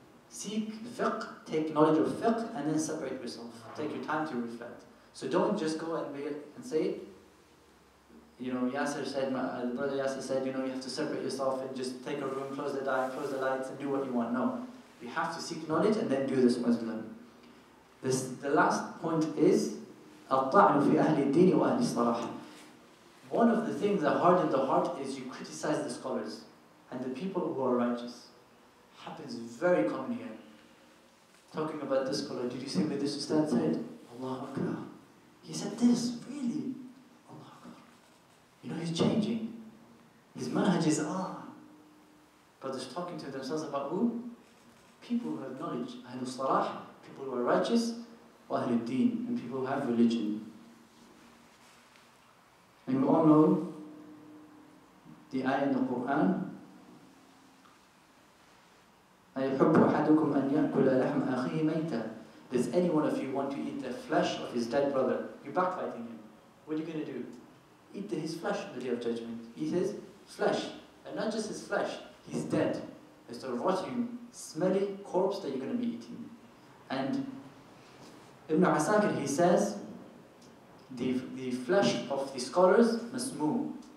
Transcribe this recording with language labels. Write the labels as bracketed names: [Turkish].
[English] Seek fiqh, take knowledge of fiqh, and then separate yourself. Take your time to reflect. So don't just go and be and say, you know, Yasir said, brother Yasir said, you know, you have to separate yourself and just take a room, close the door, close the lights, and do what you want. No. You have to seek knowledge and then do this Muslim. The last point is, [Arabic] الطعن في أهل الدين وأهل الصلاح. [English] One of the things that harden the heart is you criticize the scholars and the people who are righteous. Happens very common here. Talking about this scholar, did you see what this Ustad said? Allahu Akbar. He said this, really? Allahu Akbar. You know, he's changing. His manhaj is But they're talking to themselves about who? People who have knowledge, Ahlul Salah, people who are righteous, Ahlul Deen, and people who have religion. And we all know the ayah in the Quran. [Arabic] أَيُحُبُّ أَحَدُكُمْ أَنْ يَأْكُلَ لَحْمَ أَخِيهِ مَيْتًا. [English] Does any one of you want to eat the flesh of his dead brother? You're backbiting him. What are you going to do? Eat his flesh on the Day of Judgment. Eat his flesh. And not just his flesh, he's dead. It's a rotting, smelly corpse that you're going to be eating. And Ibn Asakir, he says, the flesh of the scholars must move.